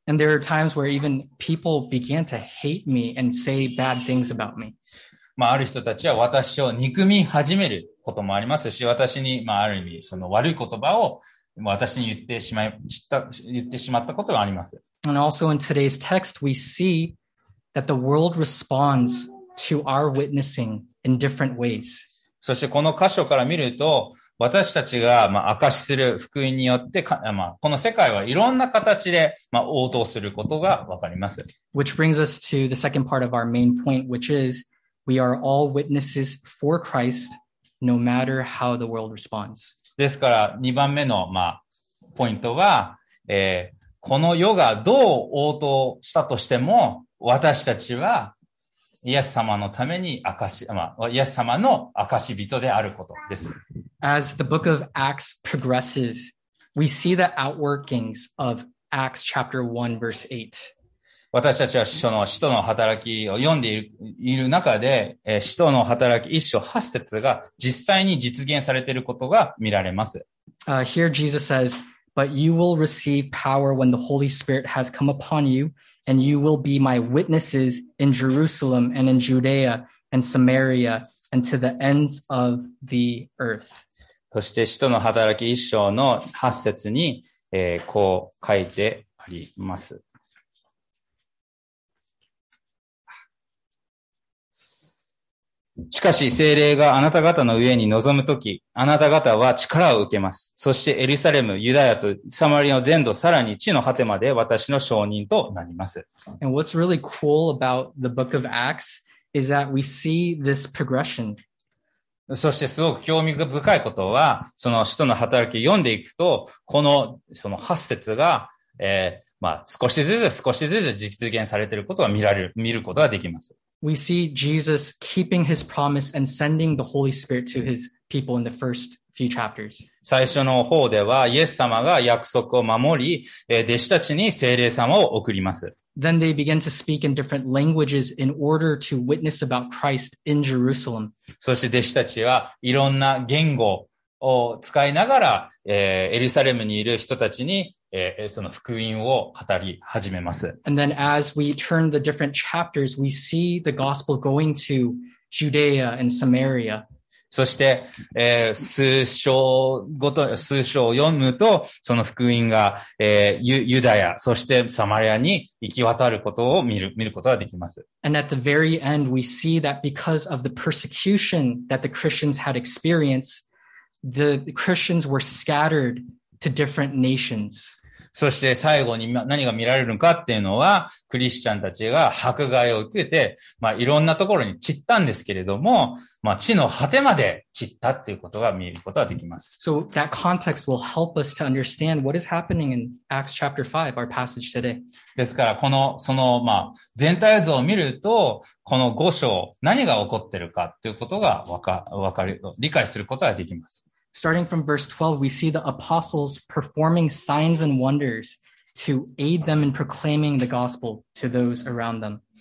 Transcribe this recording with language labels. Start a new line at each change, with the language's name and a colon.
English: And there are times where even people began to hate me and say bad things about me.
Japanese: まあ、ある人たちは私を憎み始めることもありますし、私に、まあ、ある意味、その悪い言葉を私に言ってしまったこともあります。
English: And also in today's text, we see that the world responds to our witnessing in different ways.
Japanese: そしてこの箇所から見ると、私たちが、まあ、明かしする福音によってか、まあ、この世界はいろんな形で、まあ、応答することがわかります。
English: Which brings us to the second part of our main point, which isWe are all witnesses for Christ, no matter how the world responds.
Japanese: ですから2番目の、まあ、ポイントは、この世がどう応答したとしても、私たちはイエス様のために証、まあ、イエス様の証人であることです。
English: As the book of Acts progresses, we see the outworkings of Acts chapter 1 verse 8.
Japanese: 私たちは使徒の働きを読んでいる中で、使徒の働き一章八節が実際に実現されていることが見られます。
English: Here Jesus says, "But you will receive power when the Holy Spirit has come upon you, and you will be my witnesses in Jerusalem and in Judea and Samaria and to the ends of the earth."
Japanese: そして使徒の働き一章の八節に、こう書いてあります。しかし聖霊があなた方の上に臨むとき、あなた方は力を受けます。そしてエルサレム、ユダヤとサマリアの全土、さらに地の果てまで私の証人となります。
English: And what's really cool about the book of Acts is that we see this progression.
Japanese: そしてすごく興味深いことは、その使徒の働きを読んでいくと、このその八節が、まあ少しずつ実現されていることが見ることができます。
English: We see Jesus keeping his promise and sending the Holy Spirit to his people in the first few chapters.
Japanese: 最初の方では、イエス様が約束を守り、弟子たちに聖霊様を送ります。
English: Then they begin to speak in different languages in order to witness about Christ in Jerusalem.
Japanese: そして弟子たちはいろんな言語を使いながら、エルサレムにいる人たちに、その福音を語り始めます。
English: And then as we turn the different chapters, we see the gospel going to Judea and Samaria.
Japanese: そして、数章を読むと、その福音が、ユダヤ、そしてサマリアに行き渡ることを見ることができます。
English: And at the very end, we see that because of the persecution that the Christians had experienced, the Christians were scattered to different nations.
Japanese: そして最後に何が見られるのかっていうのは、クリスチャンたちが迫害を受けて、まあいろんなところに散ったんですけれども、まあ地の果てまで散ったっていうことが見えることができます。
English: So that context will help us to understand what is happening in Acts chapter 5, our passage today.
Japanese: ですから、この、その、まあ全体図を見ると、この5章、何が起こってるかっていうことがわかる、理解することができます。
English: Starting from verse 12, we see the apostles performing signs and wonders to aid them in proclaiming the gospel to those around them.